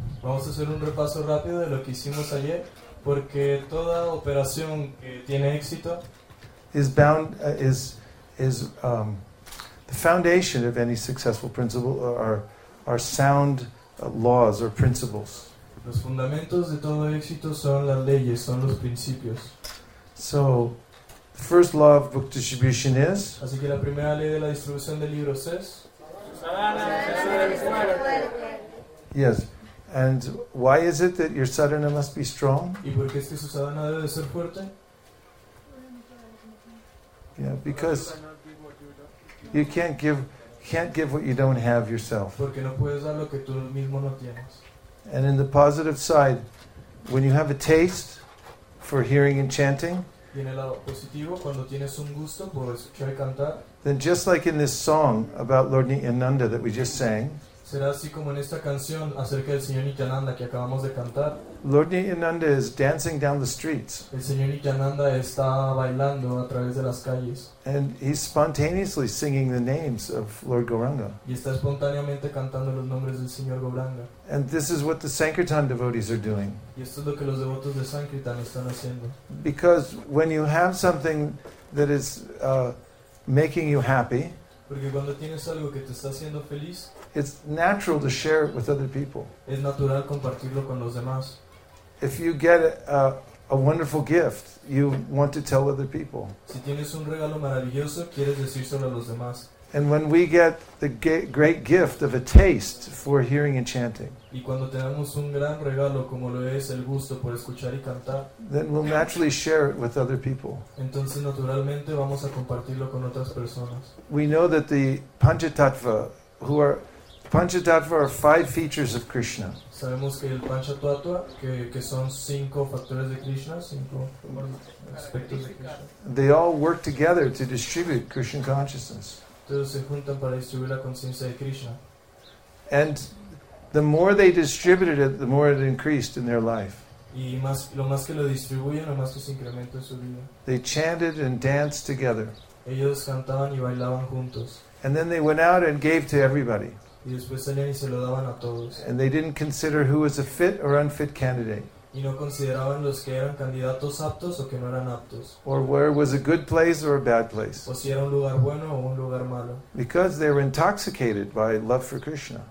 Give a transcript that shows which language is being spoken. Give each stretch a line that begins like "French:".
Spanish: Vamos a hacer un repaso rápido de lo que hicimos ayer, porque toda operación que tiene éxito
English: is the foundation of any successful principle are sound laws or principles.
Spanish: Los fundamentos de todo éxito son las leyes, son los principios.
English: So, the first law of book distribution is.
Spanish: Así que la primera ley de la distribución de libros es.
English: Yes, and why is it that your sadhana must be strong?
Spanish: ¿Y por qué es que su sadhana debe de ser fuerte?
English: Yeah, because you can't give what you don't have yourself.
Spanish: Porque no puedes dar lo que tú mismo no tienes.
English: And in the positive side, when you have a taste for hearing and chanting, then just like in this song about Lord Nityananda that we just sang, Lord Nityananda is dancing down the streets.
Spanish: El Señor Nityananda está bailando a través de las calles.
English: And he's spontaneously singing the names of Lord Gauranga.
Spanish: Y está espontáneamente cantando los nombres del Señor Gauranga.
English: And this is what the Sankirtan devotees are doing.
Spanish: Y esto es lo que los devotos de Sankirtan están haciendo.
English: Because when you have something that is making you happy,
Spanish: porque cuando tienes algo que te está haciendo feliz,
English: it's natural to share it with other people.
Spanish: Es natural compartirlo con los demás.
English: If you get a wonderful gift, you want to tell other people.
Spanish: Si tienes un regalo maravilloso, quieres decírselo a los demás.
English: And when we get the great gift of a taste for hearing and chanting,
Spanish: y cuando tenemos un gran regalo como lo es el gusto por escuchar y cantar,
English: then we'll naturally share it with other people.
Spanish: Entonces naturalmente vamos a compartirlo con otras personas.
English: We know that the Panchatattva, Panchatattva are five features of Krishna.
Spanish: Sabemos que el Panchatattva, que son cinco factores de Krishna, cinco aspectos de Krishna.
English: They all work together to distribute Krishna consciousness.
Spanish: Todos se juntan para distribuir la conciencia de Krishna.
English: And the more they distributed it, the more it increased in their life.
Spanish: Y más, lo más que lo distribuyen, lo más que se incrementó en su vida.
English: They chanted and danced together.
Spanish: Ellos cantaban y bailaban juntos.
English: And then they went out and gave to everybody.
Spanish: Y después salían y se lo daban a todos.
English: And they didn't consider who was a fit or unfit candidate.
Spanish: Y no consideraban los que eran candidatos aptos o que no eran aptos.
English: Or where was a good place or a bad place.
Spanish: O si era un lugar bueno o un lugar malo.
English: Because they were intoxicated by love for Krishna.